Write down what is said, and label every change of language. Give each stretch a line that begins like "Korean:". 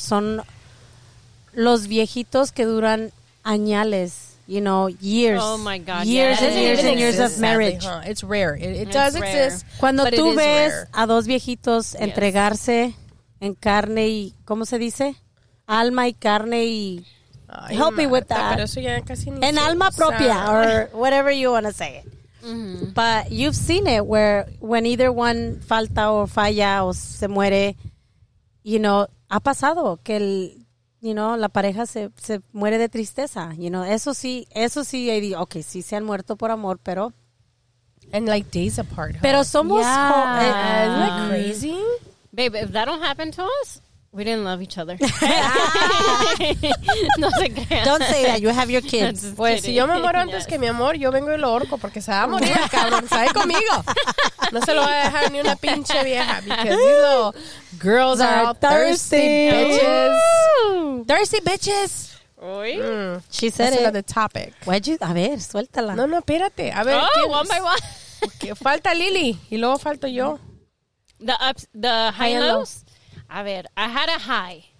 Spanish: Son los viejitos que duran añales.
English: You know, years. Oh, my God. Years and years and years of marriage. Sadly, huh? It's rare. It does exist.
Spanish: Cuando tú ves a dos viejitos entregarse en carne y, ¿cómo se dice? Alma y carne y,
English: help me with that.
Spanish: En alma propia,
English: or whatever you want to say it. Mm-hmm. But you've seen it where when either one
Spanish: falta o falla o se muere,
English: you know,
Spanish: ha pasado que el... You know, la pareja se muere de tristeza. You know, eso sí, okay, sí se han muerto por amor, pero.
English: And like days apart. Huh?
Spanish: Pero somos.
English: Yeah. Isn't that crazy? Babe, if that don't happen to us, we didn't love each other.
Spanish: No se crean.
English: Don't say that. You have your kids.
Spanish: No, pues kidding. Si yo me muero antes yes. que mi amor, yo vengo y lo ahorco porque se va a morir el cabrón. Sabe conmigo. No se lo va a dejar ni una pinche vieja.
English: Because these little girls are all thirsty bitches. Thirsty bitches. Oy. She said That's it. Another topic. Why'd you?
Spanish: A ver, suéltala. No, espérate. A ver.
English: Oh, one by one.
Spanish: Falta Lily. Y luego falto yo.
English: The high and lows?
Spanish: A ver,
English: I had a high.